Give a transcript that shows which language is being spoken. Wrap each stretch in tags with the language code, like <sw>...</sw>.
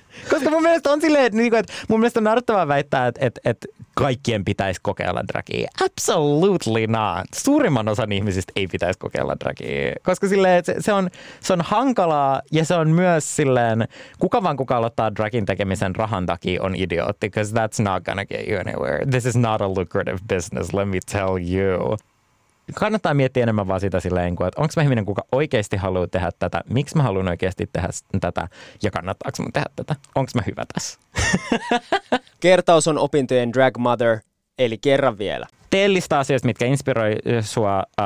<fi>Koska mun mielestä on silleen, että mun mielestä on naurettavaa väittää, että kaikkien pitäisi kokeilla dragia.</fi> <en>Absolutely not.</en> <fi>Suurimman osan ihmisistä ei pitäisi kokeilla dragia. Koska silleen, että se on hankalaa ja se on myös silleen, kuka vaan kuka aloittaa dragin tekemisen rahan takia on idiootti.</fi> <en>Because that's not gonna get you anywhere. This is not a lucrative business, let me tell you.</en> <fi>Kannattaa miettiä enemmän vaan sitä silleen, että onko mä ihminen, kuka oikeasti haluaa tehdä tätä, miksi mä haluan oikeasti tehdä tätä ja kannattaako mun tehdä tätä. Onko mä hyvä tässä? Kertaus on opintojen drag mother, eli kerran vielä. Tee lista asioista, mitkä inspiroi sua.</fi>